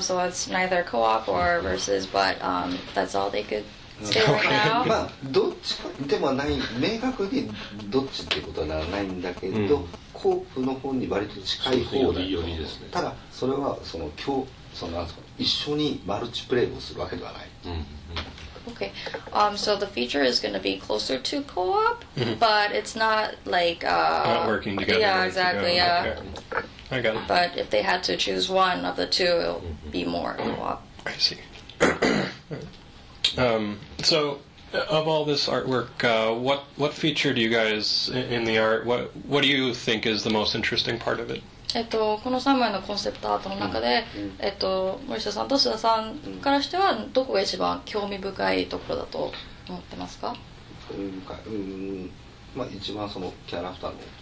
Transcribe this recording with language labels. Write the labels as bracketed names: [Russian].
[English] So it's neither co-op or versus, but that's all they could say right now. [Japanese] まあどっちかでもない明確にどっちってことはないんだけど、コープの方に割と近い方だと思う。ただそれはその今日そのなんですか一緒にマルチプレイをするわけではない。 [English] Okay. So the feature is going to be closer to co-op, but it's not like not working together. Yeah, exactly. Yeah. I got it. But if they had to choose one of the two, it'll be more co-op. I see. So, of all this artwork, what feature do you guys in the art? What do you think is the most interesting part of it? [Japanese] この3枚のコンセプトアートの中で、森下さんと須田さんからしてはどこが一番興味深いところだと思ってますか？興味深い、まあ、一番そのキャラクターの